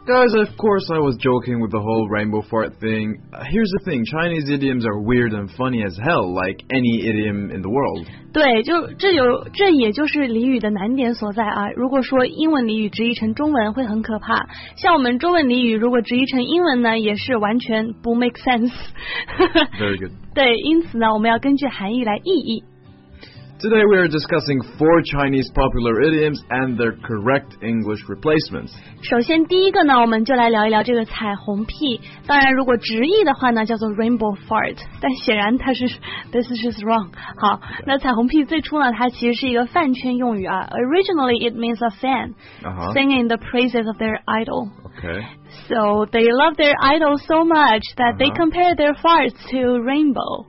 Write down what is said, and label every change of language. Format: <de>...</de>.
<en>Guys, of course I was joking with the whole rainbow fart thing. Here's the thing, Chinese idioms are weird and funny as hell, like any idiom in the world.</en> <zh>对，就这也就是俚语的难点所在啊。如果说英文俚语直译成中文会很可怕，像我们中文俚语如果直译成英文呢，也是完全不</zh> <en>make sense. Very good.</en> <zh>对，因此呢，我们要根据含义来意译。</zh> <en>Today we are discussing four Chinese popular idioms and their correct English replacements.</en> <zh>首先第一个呢，我们就来聊一聊这个彩虹屁。当然，如果直译的话呢，叫做 rainbow fart. 但显然它是</zh> <en>this is just wrong.</en> <zh>好，那彩虹屁最初呢，它其实是一个饭圈用语啊。</zh> <en>Originally, it means a fan、 uh-huh. singing the praises of their idol. Okay. So they love their idol so much that、uh-huh. they compare their farts to rainbow.</en>